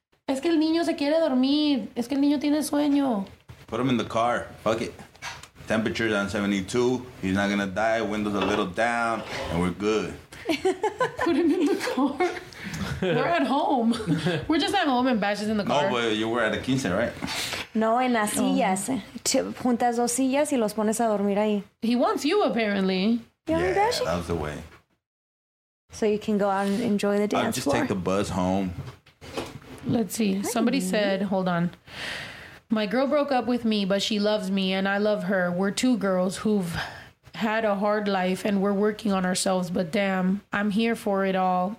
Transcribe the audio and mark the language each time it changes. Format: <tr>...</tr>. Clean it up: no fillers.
<es>Es que el niño se quiere dormir. Es que el niño tiene sueño.</es> <en>Put him in the car. Fuck it. Temperature's on 72. He's not going to die. Window's a little down. And we're good. Put him in the car. We're at home. We're just at home and Bash is in the car. No, but you were at the quince, right?</en> <es>No, en las sillas. Juntas dos sillas y los pones a dormir ahí.</es> <en>He wants you, apparently. Yeah, that was the way. So you can go out and enjoy the dance floor. Just take the bus home. Let's see. Hi. Somebody said, hold on. My girl broke up with me, but she loves me and I love her. We're two girls who've had a hard life and we're working on ourselves, but damn, I'm here for it all.</en>